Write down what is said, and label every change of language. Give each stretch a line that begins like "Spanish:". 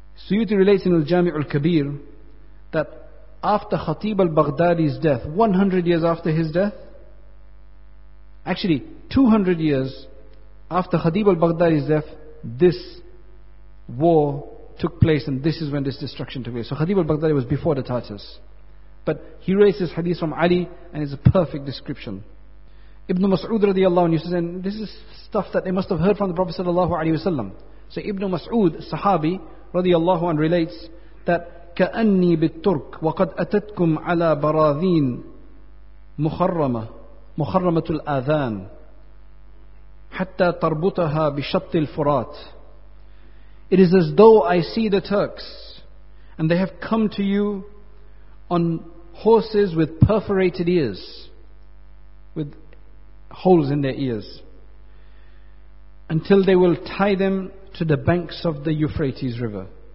English: Suyuti relates in Al-Jami' Al-Kabir that after Khatib al-Baghdadi's death, 100 years after his death, actually 200 years after Khatib al-Baghdadi's death, this war took place, and this is when this destruction took place. So Khatib al-Baghdadi was before the Tartars. But he raises hadith from Ali, and it's a perfect description. Ibn Mas'ud radiallahu anhu says, and this is stuff that they must have heard from the Prophet sallallahu alayhi wa sallam. So Ibn Mas'ud, Sahabi radiallahu anhu, relates that
Arabic: كأني بالترك وقد أتتكم على براذين مخرمة مخرمة الآذان حتى تربطها بشط الفرات.
English: It is as though I see the Turks, and they have come to you on horses with perforated ears, with holes in their ears, until they will tie them to the banks of the Euphrates River.